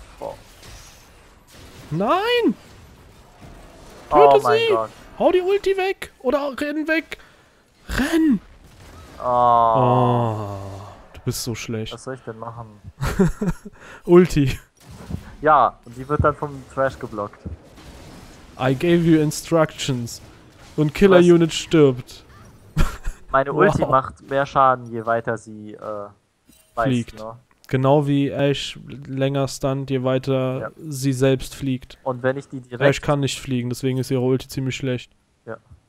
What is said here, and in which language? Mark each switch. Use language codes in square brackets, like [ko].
[de] oh. Nein! Töte sie! Mein Gott. Hau die Ulti weg! Oder renn weg! Renn! Oh. Oh, du bist so schlecht. Was soll ich denn machen? Ulti. Ja, und die wird dann vom Trash geblockt. [en] I gave you instructions. [de] Und Killer Unit stirbt. Meine Ulti macht mehr Schaden, je weiter sie fliegt. Genau wie Ash länger stunt, je weiter sie selbst fliegt. Und wenn ich die direkt. Ash kann nicht fliegen, deswegen ist ihre Ulti ziemlich schlecht. Ja.